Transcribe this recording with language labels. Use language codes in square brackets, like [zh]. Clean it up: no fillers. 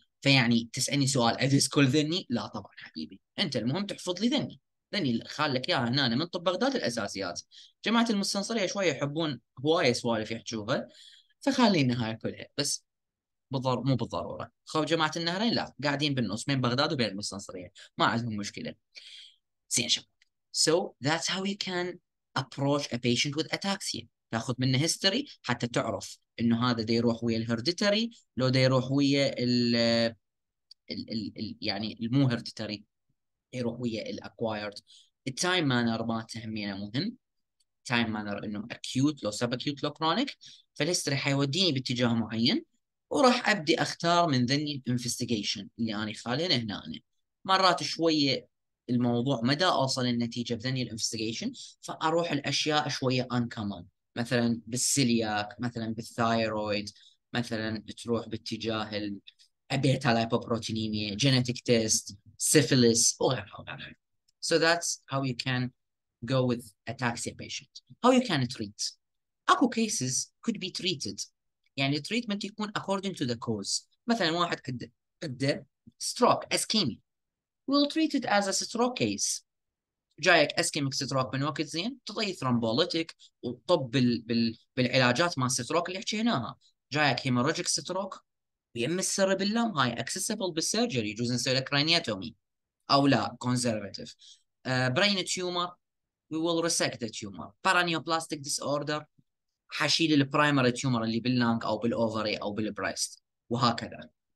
[ar] فيعني تسالني سؤال اديس كل ذني؟ لا طبعا حبيبي، انت المهم تحفظ لي ذني، ذني خال لك اياها هنا من طب بغداد الاساسيات. جماعه المستنصريه شويه يحبون هوايه سوالف يحجوها، فخلينا هاي كلها بس مو بالضروره. خو جماعه النهرين لا قاعدين بالنص بين بغداد وبين المستنصريه، ما عندهم مشكله. زين شباب، [en] so that's how you can approach a patient with ataxia. [ar] تاخذ منه هيستوري حتى تعرف انه هذا دا يروح ويا الهيرديتري، لو دا يروح ويا الـ يعني المو هيرديتري يروح ويا الاكوايرد. التايم مانر ما تهمينا مهم، تايم مانر انه اكيوت لو سب اكيوت لو كرونيك، فالهيستوري حيوديني باتجاه معين وراح ابدي اختار من ذني الانفستيجيشن اللي انا خالينه هنا. أنا مرات شويه الموضوع مدى اوصل النتيجه بذني الانفستيجيشن، فاروح الاشياء شويه انكمون، مثلا بالسيلياك، مثلا بالثايرويد، مثلا تروح باتجاه البيتا لايبوبروتينيميا، جينيتيك تيست، سيفيليس وغيرها وغيرها. [en] So that's how you can go with ataxia patient. How you can treat. اكو cases could be treated. يعني treatment يكون according to the cause. [ar] مثلا واحد قده stroke, ischemia. [en] We'll treat it as a stroke case. [ar] جايك اسكيميك ستروك من وقت زين، تعطيه ثرومبوليتيك وطب بالعلاجات مال ستروك اللي حكيناها. جايك هيموراجيك ستروك ويم السربلم، هاي اكسسبل بالسيرجري، يجوز نسوي له كرانياتومي او لا كونزرفيتيف. [en] Brain tumour, we will resect the tumour. Paraneoplastic disorder, [ar] حشيل البرايمري تيومر اللي باللانك او بالاوفري او بالبريست وهكذا.